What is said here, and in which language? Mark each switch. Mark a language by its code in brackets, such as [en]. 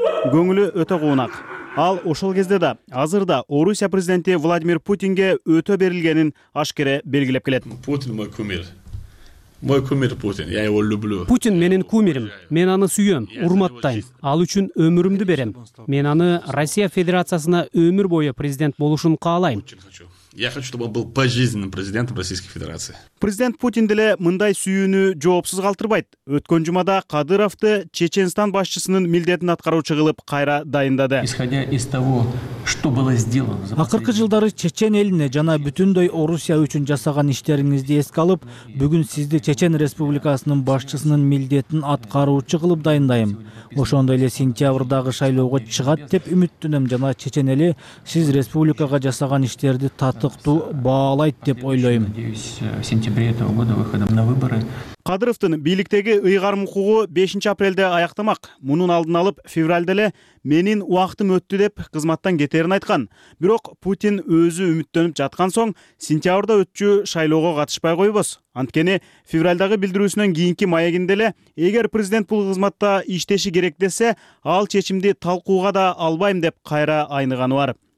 [ky] Көңүлү өтө куунак. Ал ошол кезде да, азыр да Орусия президенти Владимир Путинге өтө берилгенин ашкере белгилеп келет. [ru] Путин мой кумир. Мой кумир Путин. Я его люблю. [ky] Путин менин кумирим. Мен аны сүйөм, урматтайм. Ал үчүн өмүрүмдү берем. Мен аны Россия Федерациясына өмүр бою президент болушун каалайм. [ru] Я хочу, чтобы он был пожизненным президентом Российской Федерации. [ky] Президент Путин деле мындай сүйүүнү жоопсуз калтырбайт. Өткөн жумада Кадыровду Чеченстан башчысынын милдетин аткаруучу кылып кайра дайындады. [ru] Исходя из того, что было сделано. [ky] Акыркы жылдары Чечен элине жана бүтүндөй Орусия үчүн жасаган иштериңизди эске алып, бүгүн сизди Чечен Республикасынын башчысынын милдетин аткаруучу кылып дайындайм. Ошондой эле сентябрдагы шайлоого чыгат деп үмүттөнөм жана Чечен эли сиз республикага жасаган иштерди татыктуу баалайт деп ойлойм. [ru] Сентябре этого года выходом на выборы. [ky] Кадыровдун бийликтеги ыйгарым укугу 5-апрелде аяктамак. Мунун алдын алып февралда эле менин убактым өттү деп кызматтан кетерин айткан. Бирок Путин өзү үмүттөнүп жаткан соң сентябрда өтчү шайлоого катышпай койбос. Анткени февралдагы билдирүүсүнөн кийинки маегинде эле эгер президент бул кызматта иштеши керек десе, ал чечимди талкууга да албайм деп кайра айныганы бар.